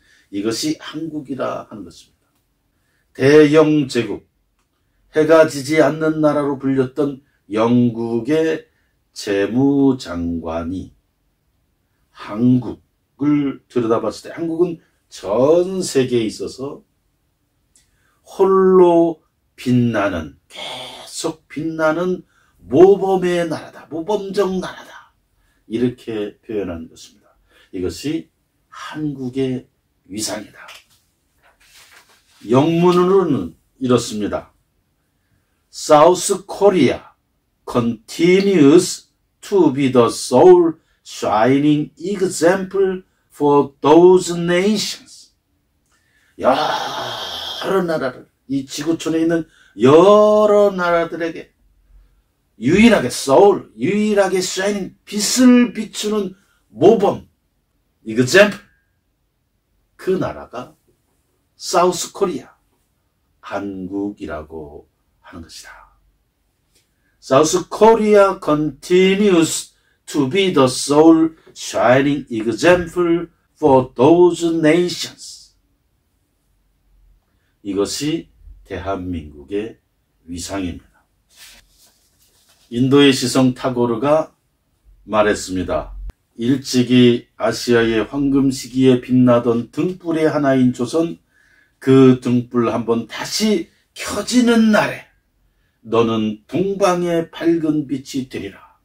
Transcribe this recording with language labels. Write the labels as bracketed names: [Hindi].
[Korean] 이것이 한국이라 하는 것입니다. 대영제국, 해가 지지 않는 나라로 불렸던 영국의 재무장관이 한국, 을 들여다봤을 때 한국은 전 세계에 있어서 홀로 빛나는 계속 빛나는 모범의 나라다. 모범적 나라다. 이렇게 표현한 것입니다. 이것이 한국의 위상이다. 영문으로는 이렇습니다. [English] South Korea continues to be the sole shining example for those nations. [Korean] 여러 나라를, 이 지구촌에 있는 여러 나라들에게 유일하게, 서울, 유일하게 shining, 빛을 비추는 모범, example. 그 나라가 South Korea, 한국이라고 하는 것이다. [English] South Korea continues to be the sole shining example for those nations. [Korean] 이것이 대한민국의 위상입니다. 인도의 시성 타고르가 말했습니다. 일찍이 아시아의 황금 시기에 빛나던 등불의 하나인 조선, 그 등불 한번 다시 켜지는 날에 너는 동방의 밝은 빛이 되리라.